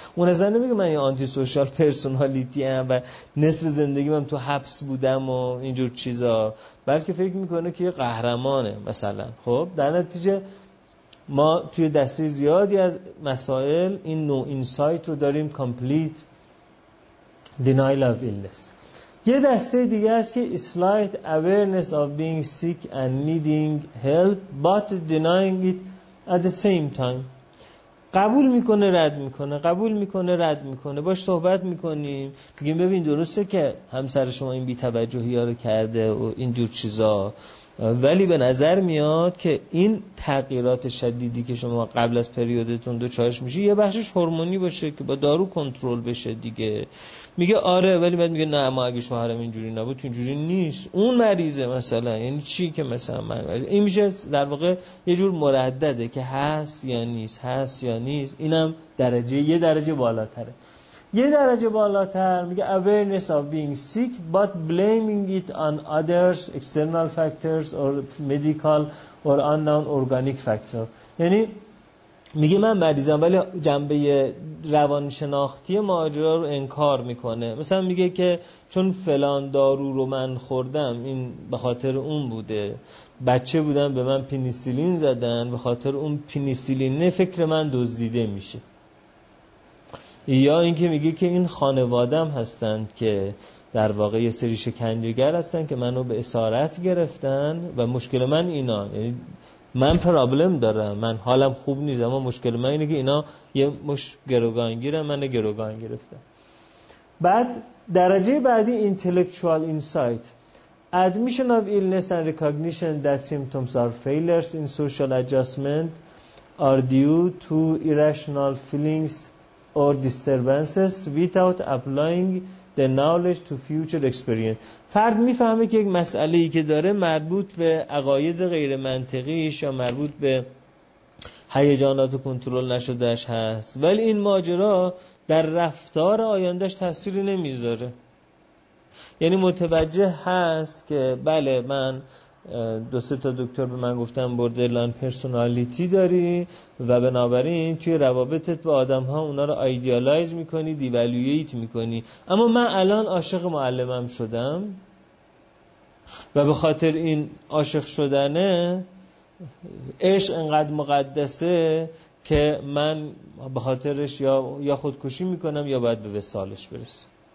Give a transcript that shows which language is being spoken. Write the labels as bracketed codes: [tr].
[fa] اون از زن نمیگه من یه آنتی سوشال پرسونالیتی هم و نصف زندگیم هم تو حبس بودم و اینجور چیزا، بلکه فکر میکنه که یه قهرمانه مثلا. خب در نتیجه ما توی دسته زیادی از مسائل این نوع اینسایت رو داریم، [en] Complete denial of illness. [fa] یه دسته دیگه است که [en] slight awareness of being sick and needing help but denying it at the same time. [fa] قبول میکنه رد میکنه، قبول میکنه رد میکنه. باش صحبت میکنیم، میگیم ببین درسته که همسر شما این بیتوجهی ها رو کرده و اینجور چیزا، ولی به نظر میاد که این تغییرات شدیدی که شما قبل از پریودتون دچارش میشی یه بخشش هورمونی باشه که با دارو کنترل بشه دیگه. میگه آره، ولی بعد میگه نه، ما اگه شوهرم اینجوری نبود اینجوری نیست، اون مریضه مثلا. یعنی چی که مثلا من مریضه؟ این میشه در واقع یه جور مردده که هست یا نیست، هست یا نیست. اینم درجه، یه درجه بالاتره. یه درجه بالاتر میگه [en] awareness of being sick but blaming it on others, external factors or medical or unknown organic factor. [fa] یعنی میگه من مریضم ولی جنبه روانشناختی ماجرا رو انکار میکنه. مثلا میگه که چون فلان دارو رو من خوردم این به خاطر اون بوده، بچه بودم به من پنیسیلین زدن، به خاطر اون پنیسیلینه فکر من دزدیده میشه. یا اینکه میگه که این خانوادم هستند که در واقع یه سری شکنجه‌گر هستن که منو به اسارت گرفتن و مشکل من اینا، یعنی من پرابلم دارم، من حالم خوب نیست، اما مشکل من اینه که اینا یه مش گروگانگیره، منو گروگان گرفتن. بعد درجه بعدی [en] intellectual insight، admission of illness and recognition that symptoms are failures in social adjustment are due to irrational feelings or disturbances without applying the knowledge to future experience. [fa] فرد میفهمه که یک مسئله‌ای که داره مربوط به عقاید غیر منطقیش یا مربوط به هیجانات کنترل نشدهش هست، ولی این ماجرا در رفتار آیندهش تأثیری نمیذاره. یعنی متوجه هست که بله، من دو سه تا دکتر به من گفتن بوردرلاین پرسونالیتی داری و بنابراین توی روابطت با آدم ها اونا رو ایدیالایز میکنی، دیوالویت میکنی، اما من الان عاشق معلمم شدم و به خاطر این عاشق شدنه عشق انقدر مقدسه که من به خاطرش یا خودکشی میکنم یا باید به وصالش برسم.